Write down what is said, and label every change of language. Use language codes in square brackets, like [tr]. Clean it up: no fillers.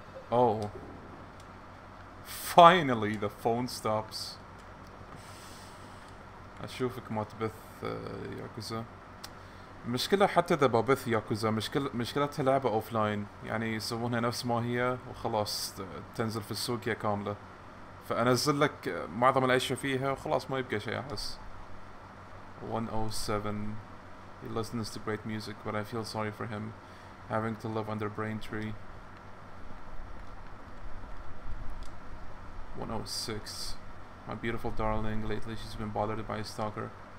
[en] Oh. Finally, the phone stops. [ar] أشوفك ما تبث ياكوزا. المشكلة حتى إذا ببث ياكوزا مشكلتها لعبة أوفلاين، يعني يسوونها نفس ما هي وخلاص تنزل في السوق هي كاملة. فأنزل لك معظم الأشياء فيها وخلاص ما يبقى شيء أحس. [en] 107. He listens to great music, but I feel sorry for him having to live under brain tree. 106. My beautiful darling, lately she's been bothered by a stalker.